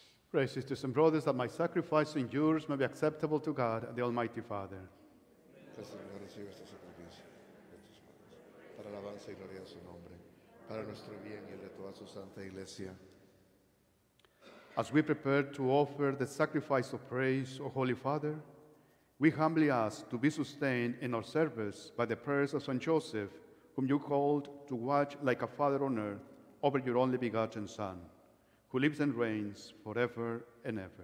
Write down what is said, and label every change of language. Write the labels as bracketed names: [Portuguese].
[English] Pray, sisters and brothers, that my sacrifice and yours may be acceptable to God, the Almighty Father. [Spanish] Que el Señor reciba este sacrificio de tus manos, para alabanza y gloria de su nombre, para nuestro bien y el de toda su santa iglesia. [English] As we prepare to offer the sacrifice of praise, O Holy Father, we humbly ask to be sustained in our service by the prayers of Saint Joseph, whom you called to watch like a father on earth over your only begotten Son, who lives and reigns forever and ever.